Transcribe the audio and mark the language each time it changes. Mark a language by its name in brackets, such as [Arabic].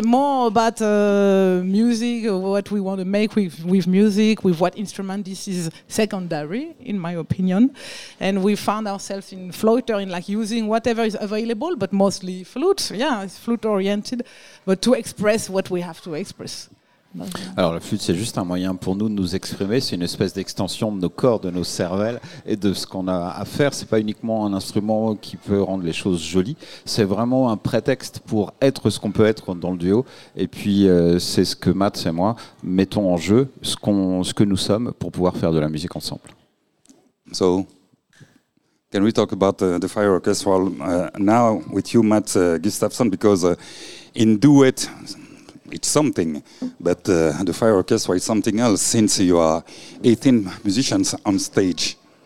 [English] More about music, what we want to make with music, with what instrument. This is secondary, in my opinion. And we found ourselves in Flöter, in like using whatever is available, but mostly flute. Yeah, it's flute oriented, but to express what we have to express. [French] Alors la flûte, c'est juste un moyen pour nous de nous exprimer, c'est une espèce d'extension de nos corps, de nos cervelles et de ce qu'on a à faire. C'est pas uniquement un instrument qui peut rendre les choses jolies, c'est vraiment un prétexte pour être ce qu'on peut être dans le duo. Et puis c'est ce que Matt et moi mettons en jeu, ce que nous sommes, pour pouvoir faire de la musique ensemble. [English] So can we talk about the Fire Orchestra now with you, Matt Gustafsson, because in duet it's something, but the Fire Orchestra is something else, since you are 18 musicians on stage.